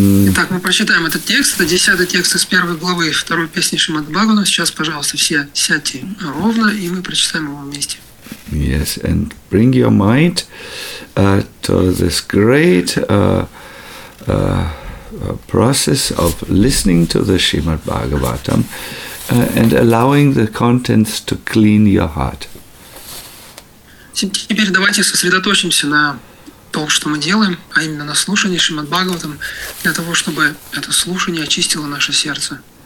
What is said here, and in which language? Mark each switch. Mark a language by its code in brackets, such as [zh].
[ru] Итак, мы прочитаем этот текст. Это 10-й текст из первой главы второй песни Шримад Бхагаватам. Сейчас, пожалуйста, все сядьте ровно, и мы прочитаем его вместе. [en] Yes, and bring your mind to this great process of listening to the Shrimad Bhagavatam and allowing the contents to clean your heart. [ru] Теперь давайте сосредоточимся на то, что мы делаем, а именно на слушании Шримад Бхагаватам, для того, чтобы это слушание очистило наше сердце.